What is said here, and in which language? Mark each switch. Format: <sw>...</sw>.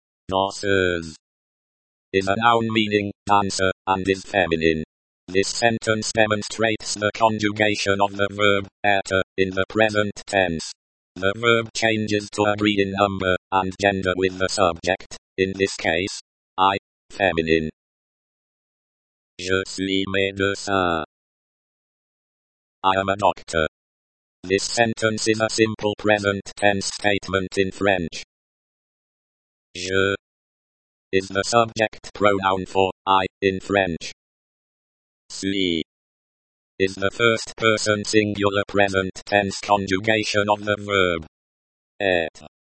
<en>Danseuse is a noun meaning dancer and is feminine. This sentence demonstrates the conjugation of the verb être in the present tense. The verb changes to agree in number and gender with the subject, in this case, I, feminine.</en> <fr>Je suis médecin.</fr> <en>I am a doctor. This sentence is a simple present tense statement in French. Je is the subject pronoun for I in French. Suis is the first person singular present tense conjugation of the verb être.</en>